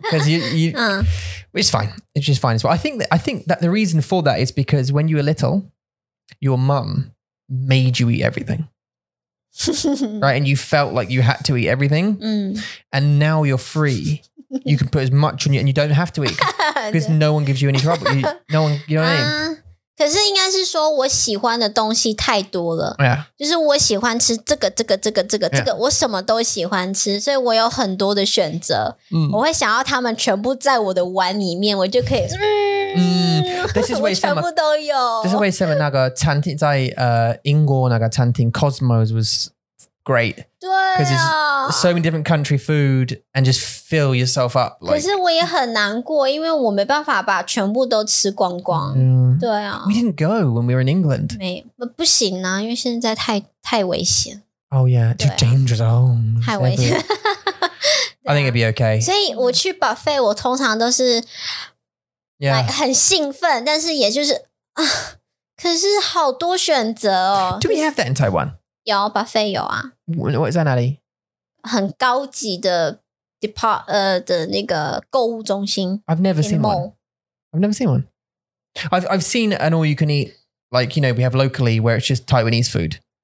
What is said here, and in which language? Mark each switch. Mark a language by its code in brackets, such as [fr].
[en] Because you, it's fine. It's just fine as well. I think that the reason for that is because when you were little, your mum made you eat everything. right? And you felt like you had to eat everything. Mm. And now you're free. You can put as much on you and you don't have to eat because no one gives you any trouble. You know what I mean? [zh] 可是应该是说我喜欢的东西太多了。 [en] Yeah. [zh] 就是我喜欢吃这个、这个、这个、这个、这个、我什么都喜欢吃所以我有很多的选择。 Mm. 我会想要他们全部在我的碗里面我就可以。 [en] This is [zh] 为什么。全部都有。 [en] This is [zh] 为什么那个餐厅在英国那个餐厅 [en] Cosmos was... Great. Because it's so many different country food and just fill yourself up. Like, [zh] 可是我也很难过因为我没办法把全部都吃光光。对啊。 [en] We didn't go when we were in England. [zh] 没不行啊因为现在太危险。 [en] Oh yeah, too dangerous. Oh, [zh] 太危险。 [en] I think it'd be okay. [zh] 所以我去 buffet, 我通常都是 [en] yeah. [zh] like, 很兴奋但是也就是可是好多选择哦。 [en] Do we have that in Taiwan? [zh] 有 buffet 有啊 [en] What is that, Natalie? [zh] 很高级的 的那个购物中心 [en] I've never seen one I've seen an all you can eat Like, you know, we have locally Where it's just Taiwanese food